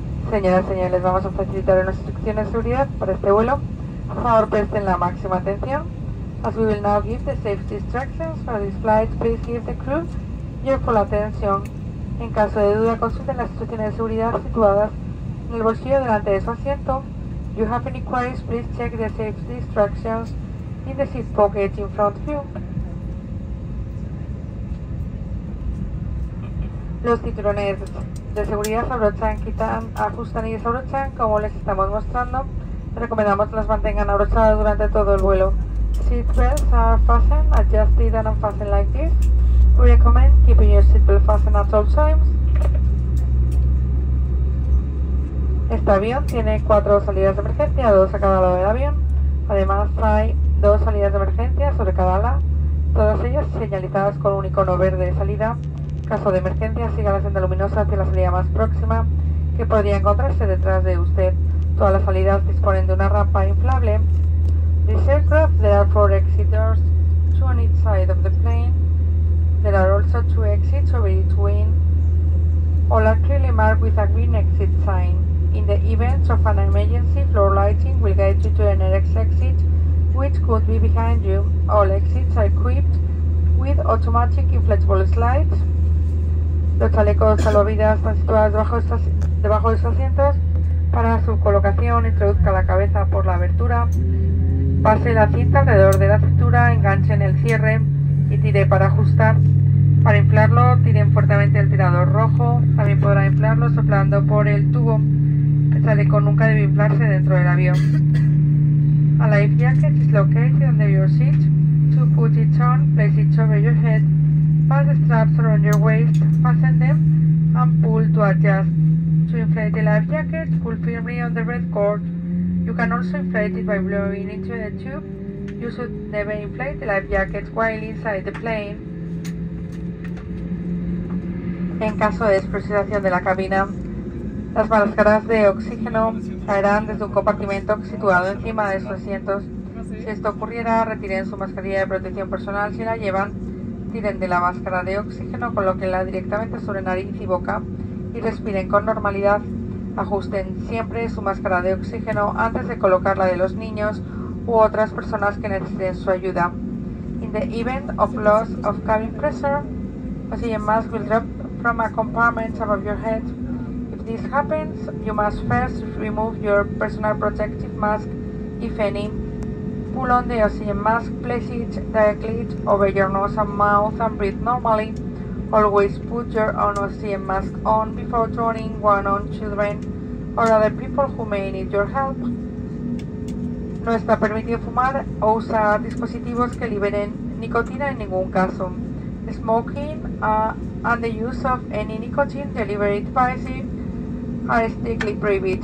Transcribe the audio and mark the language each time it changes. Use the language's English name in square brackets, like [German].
[Spanish] Señoras y señores, les vamos a facilitar unas instrucciones de seguridad para este vuelo. Por favor, presten la máxima atención. [English] As we will now give the safety instructions for this flight, please give the crew your full attention. [Spanish] En caso de duda, consulten las instrucciones de seguridad situadas en el bolsillo delante de su asiento. [English] If you have any queries, please check the safety instructions in the seat pocket in front of you. [Spanish] Los cinturones de seguridad se abrochan, quitan, ajustan y desabrochan como les estamos mostrando. Recomendamos que las mantengan abrochadas durante todo el vuelo. [English] Seatbelts are fastened, adjusted and unfastened like this. We recommend keeping your seatbelt fastened at all times. [Spanish] Este avión tiene 4 salidas de emergencia, 2 a cada lado del avión. Además hay 2 salidas de emergencia sobre cada ala, todas ellas señalizadas con un icono verde de salida. En caso de emergencia, siga la senda luminosa hacia la salida más próxima, que podría encontrarse detrás de usted. Todas las salidas disponen de una rampa inflable. [English] This aircraft, there are 4 exit doors, 2 on each side of the plane. There are also 2 exits over each wing. All are clearly marked with a green exit sign. In the event of an emergency, floor lighting will guide you to the next exit, which could be behind you. All exits are equipped with automatic inflatable slides. [Spanish] Los chalecos salvavidas están situados debajo de sus asientos. Para su colocación, introduzca la cabeza por la abertura. Pase la cinta alrededor de la cintura, enganche en el cierre y tire para ajustar. Para inflarlo, tiren fuertemente el tirador rojo. También podrá inflarlo soplando por el tubo. El chaleco nunca debe inflarse dentro del avión. [English] A life jacket is located under your seat. To put it on, place it over your head. Pass the straps around your waist, fasten them, and pull to adjust. To inflate the life jacket, pull firmly on the red cord. You can also inflate it by blowing into the tube. You should never inflate the life jacket while inside the plane. [Spanish] En caso de despresurización de la cabina, las máscaras de oxígeno caerán desde un compartimento situado encima de sus asientos. Si esto ocurriera, retiren su mascarilla de protección personal si la llevan. Tiren de la máscara de oxígeno, colóquenla directamente sobre nariz y boca y respiren con normalidad. Ajusten siempre su máscara de oxígeno antes de colocarla de los niños u otras personas que necesiten su ayuda. [English] In the event of loss of cabin pressure, oxygen mask will drop from a compartment above your head. If this happens, you must first remove your personal protective mask, if any. Pull on the oxygen mask, place it directly over your nose and mouth and breathe normally. Always put your own oxygen mask on before turning one on children or other people who may need your help. [Spanish] No está permitido fumar o usar dispositivos que liberen nicotina en ningún caso. [English] Smoking and the use of any nicotine delivery devices are strictly prohibited.